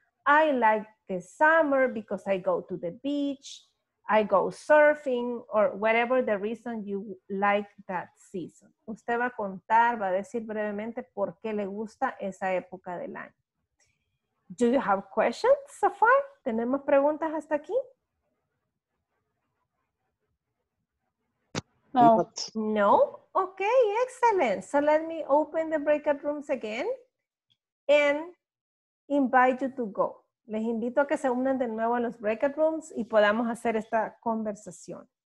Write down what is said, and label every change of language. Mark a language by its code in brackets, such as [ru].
[en] I like the summer because I go to the beach, I go surfing, or whatever the reason you like that season. [es] Usted va a contar, va a decir brevemente por qué le gusta esa época del año. [en] Do you have questions so far? [es] ¿Tenemos preguntas hasta aquí? [en] No. No? Okay, excellent. So let me open the breakout rooms again and invite you to go. [es] Les invito a que se unan de nuevo a los breakout rooms y podamos hacer esta conversación.